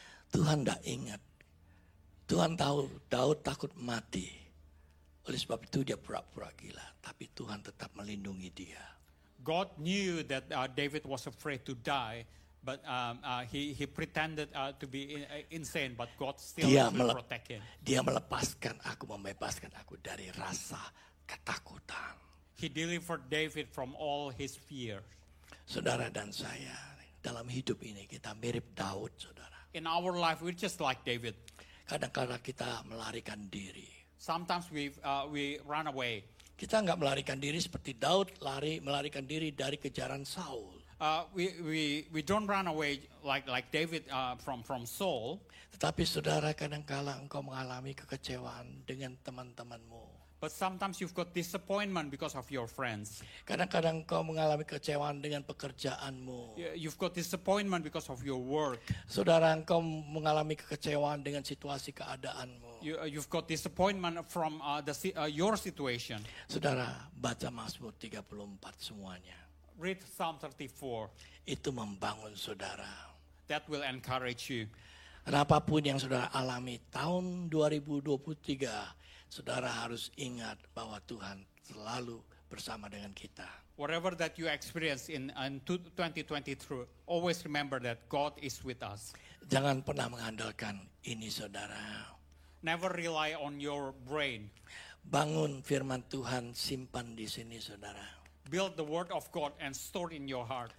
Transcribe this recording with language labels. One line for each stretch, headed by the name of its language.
Indonesian: Tuhan tak ingat. Tuhan tahu Daud takut mati. Oleh sebab itu dia pura-pura gila. Tapi Tuhan tetap melindungi dia.
English: God knew that David was afraid to die, but he pretended to be insane, but God still protect him.
Indonesian: Dia melepaskan aku, membebaskan aku dari rasa ketakutan.
English: He delivered David from all his fears.
Indonesian: Saudara dan saya, dalam hidup ini kita mirip Daud, saudara.
English: In our life, we're just like David.
Indonesian: Kadang-kadang kita melarikan diri.
English: Sometimes we run away.
Indonesian: Kita enggak melarikan diri seperti Daud lari melarikan diri dari kejaran Saul.
English: We don't run away like David from Saul.
Indonesian: Tetapi saudara, kadang-kadang engkau mengalami kekecewaan dengan teman-temanmu.
English: But sometimes you've got disappointment because of your friends.
Indonesian: Kadang-kadang engkau mengalami kekecewaan dengan pekerjaanmu.
English: You've got disappointment because of your work.
Indonesian: Saudara, engkau mengalami kekecewaan dengan situasi keadaanmu.
English: You've got disappointment from your situation.
Indonesian: Saudara, baca Mazmur 34 semuanya.
English: Read Psalm 34.
Indonesian: Itu membangun saudara.
English: That will encourage you.
Indonesian: Apapun yang saudara alami tahun 2023, saudara harus ingat bahwa Tuhan selalu bersama dengan kita.
English: Whatever that you experience in 2023, always remember that God is with us.
Indonesian: Jangan pernah mengandalkan ini, saudara.
English: Never rely on your brain.
Indonesian: Bangun firman Tuhan, simpan di sini, saudara.
English: Build the word of God and store in your heart.